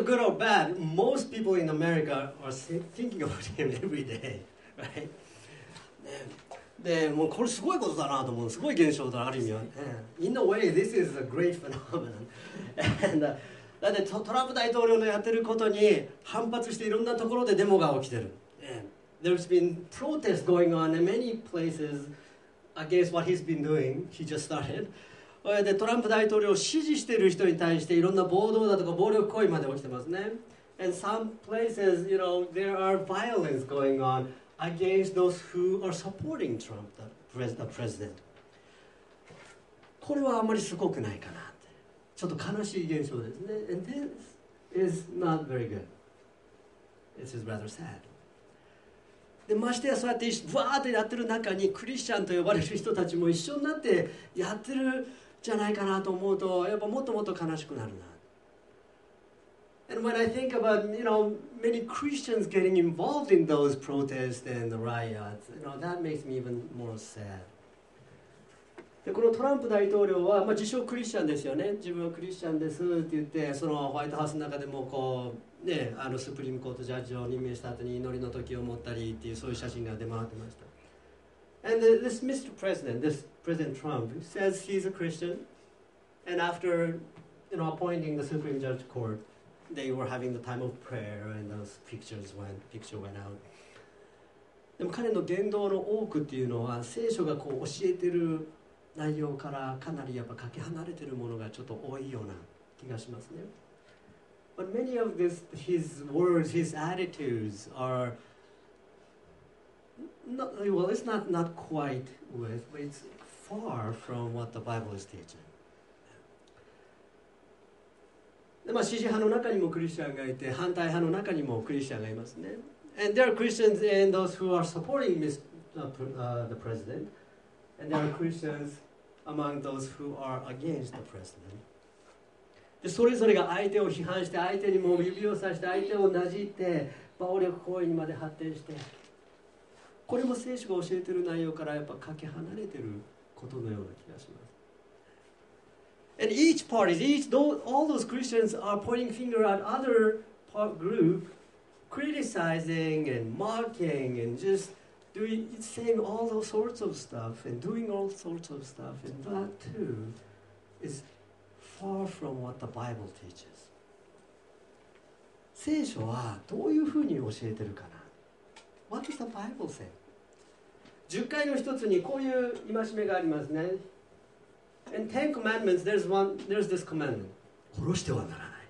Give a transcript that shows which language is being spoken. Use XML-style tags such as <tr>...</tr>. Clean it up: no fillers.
<en>Either good or bad, most people in America are thinking about him every day, right?</en> <ja>で、もうこれすごいことだなと思う。すごい現象だ、ある意味は。</ja> <en>In a way, this is a great phenomenon. And,</en> <ja>だってトランプ大統領のやってることに反発して、いろんなところでデモが起きてる。</ja> <en>There's been protests going on in many places against what he's been doing. He just started.</en> <ja>でトランプ大統領を支持している人に対していろんな暴動だとか暴力行為まで起きてますね。</ja> <en>And some places, you know, there are violence going on against those who are supporting Trump, the president.</en> <ja>これはあまりすごくないかなって。ちょっと悲しい現象ですね。</ja> <en>And this is not very good. This is rather sad.</en> <ja>でましてやそうやってブワーってやってる中にクリスチャンと呼ばれる人たちも一緒になってやってるじゃないかなと思うと、やっぱもっともっと悲しくなるな。</ja> <en>And when I think about, you know, many Christians getting involved in those protests and the riots, you know, that makes me even more sad.</en> <ja>でこのトランプ大統領は、まあ、自称クリスチャンですよね。自分はクリスチャンですって言って、そのホワイトハウスの中でもこうね、あのスプリームコートジャッジを任命した後に祈りの時を持ったりっていう、そういう写真が出回ってました。</ja> <en>And this Mr. President, this President Trump says he's a Christian. And after, you know, appointing the Supreme Judge Court, they were having the time of prayer and those picture went out.</en> <ja>でも彼の言動の多くっていうのは、聖書がこう教えてる内容からかなりやっぱかけ離れてるものがちょっと多いような気がしますね。</ja> <en>But many of this, his words, his attitudes are not, well, it's not quite with, but it's far from what the Bible is teaching.</en> <ja>で、まあ、支持派の中にもクリスチャンがいて、反対派の中にもクリスチャンがいますね。</ja> <en>And there are Christians and those who are supporting the president. And there are Christians among those who are against the president.</en> <ja>それぞれが相手を批判して、相手にも指をさして、相手をなじって、暴力行為にまで発展して、これも聖書が教えている内容からやっぱかけ離れていることのような気がします。</ja> <en>And each party, all those Christians are pointing finger at other group, criticizing and mocking and just saying all those sorts of stuff and doing all sorts of stuff, and that too is. Far from what the Bible teaches.</en> <ja>聖書はどういうふうに教えてるかな。</ja> <en>What does the Bible say?</en> <ja>十戒の一つにこういう戒めがありますね。</ja> <en>In Ten Commandments, there's this commandment.</en> <ja>殺してはならない。</ja>